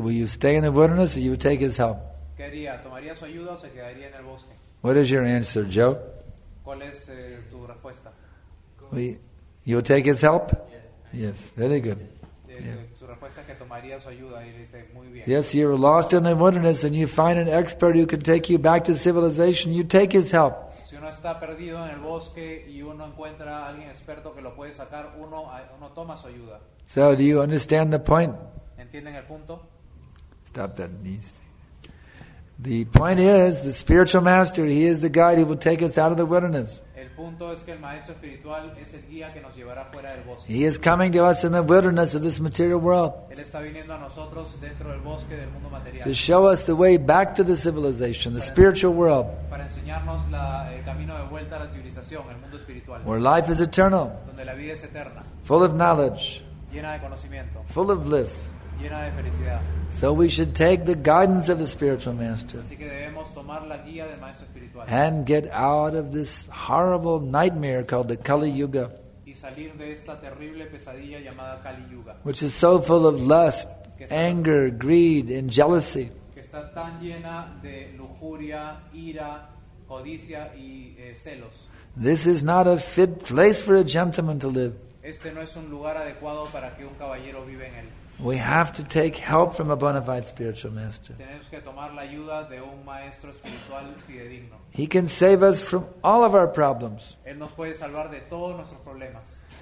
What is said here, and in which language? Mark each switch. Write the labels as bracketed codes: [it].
[en] Will you stay in the wilderness or you will take his help? [es] ¿Qué haría? ¿Tomaría su ayuda o se quedaría en el bosque? [en] What is your answer, Joe? [es] ¿Cuál es tu respuesta? [en] You will take his help? Yes. Yes, very good. [es] Su respuesta es que tomaría su ayuda y dice, muy bien. [en] Yes, you're lost in the wilderness and you find an expert who can take you back to civilization, you take his help. [es] Si uno está perdido en el bosque y uno encuentra a alguien experto que lo puede sacar, uno toma su ayuda. [en] So, do you understand the point? [es] ¿Entienden el punto? [en] Stop that, please. The point is, the spiritual master, he is the guide who will take us out of the wilderness. [es] El punto es que el maestro espiritual es el guía que nos llevará fuera del bosque. [en] He is coming to us in the wilderness of this material world. [es] Él está viniendo a nosotros dentro del bosque del mundo material. [en] To show us the way back to the civilization, the spiritual world. [es] Para enseñarnos el camino de vuelta a la civilización, el mundo espiritual. [en] Where life is eternal. [es] Donde la vida es eterna. [en] Full of knowledge. [es] Llena de conocimiento. [en] Full of bliss. [es] Llena de felicidad. [en] So we should take the guidance of the spiritual master. [es] Así que debemos tomar la guía del maestro espiritual. [en] And get out of this horrible nightmare called the Kali Yuga. [es] Y y salir de esta terrible pesadilla llamada Kali Yuga, [en] which is so full of lust, anger, greed, and jealousy. [es] Que está tan llena de lujuria, ira, codicia y celos. [en] This is not a fit place for a gentleman to live. [es] Este no es un lugar adecuado para que un caballero viva en él. [en] We have to take help from a bona fide spiritual master. [es] Tenemos que tomar la ayuda de un maestro espiritual fidedigno. [en] He can save us from all of our problems. [es] Él nos puede salvar de todos nuestros problemas.